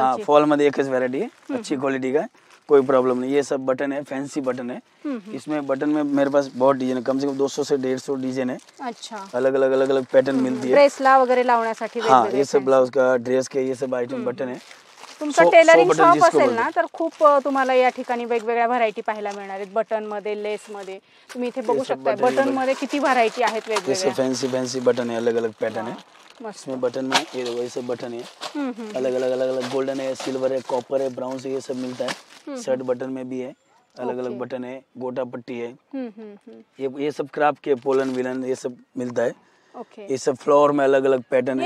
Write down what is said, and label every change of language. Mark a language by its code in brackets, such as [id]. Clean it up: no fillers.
[hi] हाँ, [mr] फॉल मध्ये एकच वैरायटी आहे, [hi] अच्छी क्वालिटी का, कोई प्रॉब्लम नहीं। ये सब बटन है, फैंसी बटन है। इसमें बटन में मेरे पास बहुत डिजाइन है, कम से कम 200-150 डिजाइन है। अच्छा। अलग अलग अलग अलग पैटर्न मिलती है, [mr] ड्रेस ला वगैरह लावण्यासाठी। [hi] हाँ, ये सब ब्लाउज का, ड्रेस के, ये सब आइटम बटन है। [mr] तुमचा टेलरिंग शॉप असेल ना तर खूप तुम्हाला या ठिकाणी वेगवेगळ्या व्हरायटी पाहायला मिळणार आहेत, बटन मध्ये, लेस मध्ये। तुम्ही इथे बघू शकता बटन मध्ये किती व्हरायटी आहेत वेगवेगळ्या। [hi] फैंसी फैंसी बटन है, अलग अलग पैटर्न है। इसमें बटन में ये वैसे बटन है, अलग अलग अलग अलग गोल्डन है, सिल्वर है, कॉपर है, ब्राउन से, ये सब मिलता है। शर्ट बटन में भी है, अलग अलग बटन है, गोटा पट्टी है। ये सब क्राफ्ट के, पोलन विलन ये सब मिलता है। ये सब फ्लोर में अलग अलग पैटर्न है।